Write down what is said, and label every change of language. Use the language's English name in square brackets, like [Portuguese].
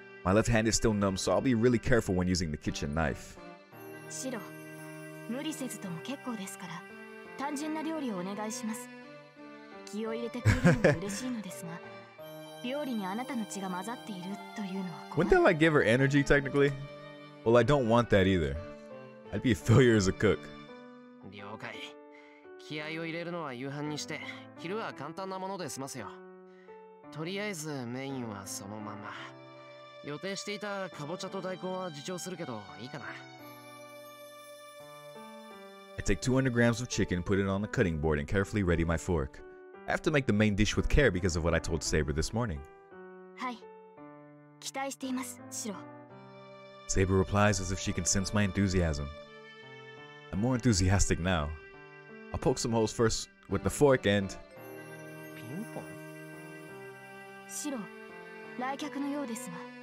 [English] My left hand is still numb, so I'll be really careful when using the kitchen knife. [Japanese] Shiro, 無理せずとも結構ですから、単純な料理をお願いします。気を入れてくれるのも嬉しいのですが、料理にあなたの血が混ざっているというのは怖い。 [English] Wouldn't that like give her energy technically? Well, I don't want that either. I'd be a failure as a cook. [Japanese] 了解。気合を入れるのは夕飯にして、昼は簡単なもので済ますよ。とりあえずメインはそのまま。予定していたかぼちゃと大根は自重するけど、いいかな。 [English] I take 200 grams of chicken, put it on the cutting board, and carefully ready my fork. I have to make the main dish with care because of what I told Saber this morning. [Japanese] はい。期待しています、シロ。 [English] Saber replies as if she can sense my enthusiasm. I'm more enthusiastic now. I'll poke some holes first with the fork and... [Japanese] ピンポン？シロ、来客のようですが。